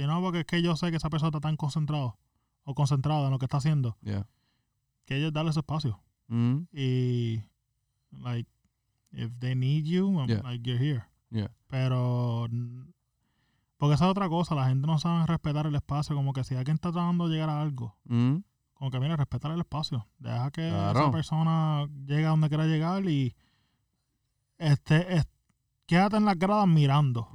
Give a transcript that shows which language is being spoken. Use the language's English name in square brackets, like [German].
[Spanish] Y no, porque es que yo sé que esa persona está tan concentrado o concentrada en lo que está haciendo. [English] Yeah. [Spanish] Que ellos darle ese espacio. Mm-hmm. [English] Y, like, if they need you, yeah. Like, you're here. Yeah. [Spanish] Pero, porque esa es otra cosa. La gente no sabe respetar el espacio. Como que si alguien está tratando de llegar a algo, mm-hmm. Como que, mira, respetar el espacio. Deja que claro. Esa persona llegue a donde quiera llegar y quédate en las gradas mirando.